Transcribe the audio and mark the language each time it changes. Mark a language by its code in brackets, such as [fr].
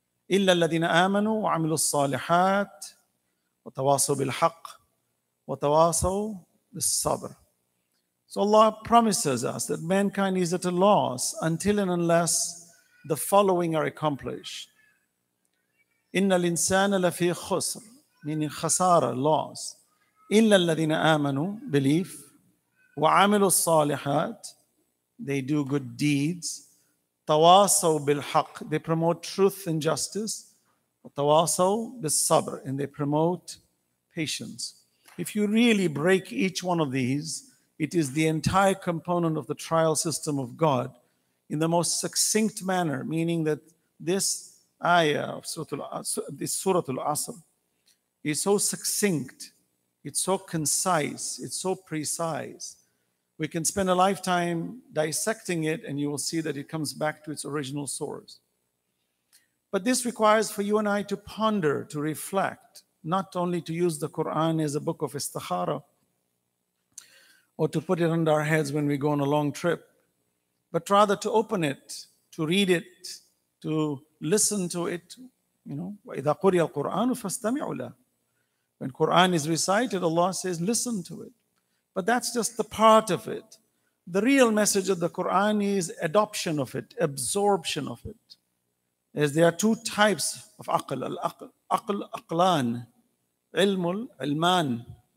[ar] إِلَّا الَّذِينَ آمَنُوا وَعَمِلُوا الصَّالِحَاتِ وَتَوَاصَوْا بِالْحَقِّ وَتَوَاصَوْا بِالصَّبْرِ. [en] So Allah promises us that mankind is at a loss until and unless the following are accomplished. [ar] إِنَّ الْإِنسَانَ لَفِي خُسْرٍ, [en] meaning khasara, loss. [ar] إِلَّا الَّذِينَ آمَنُوا, belief, وَعَمِلُوا الصَّالِحَاتِ, [en] they do good deeds. [ar] تَوَاصَوْا بِالْحَقِّ, [en] they promote truth and justice. [ar] تَوَاصَوْا بِالصَّبْرِ, [en] and they promote patience. If you really break each one of these, it is the entire component of the trial system of God in the most succinct manner, meaning that this ayah of Surah Al-Asr is so succinct, it's so concise, it's so precise. We can spend a lifetime dissecting it and you will see that it comes back to its original source. But this requires for you and I to ponder, to reflect, not only to use the Quran as a book of istikhara or to put it under our heads when we go on a long trip, but rather to open it, to read it, to listen to it. You know, [ar] وَإِذَا قُرِيَ الْقُرْآنُ فَاسْتَمِعُوا لَهُ. [en] When Quran is recited, Allah says, listen to it. But that's just the part of it. The real message of the Quran is adoption of it, absorption of it. As there are two types of aql, al-aql, aqlan, ilmul, ilman.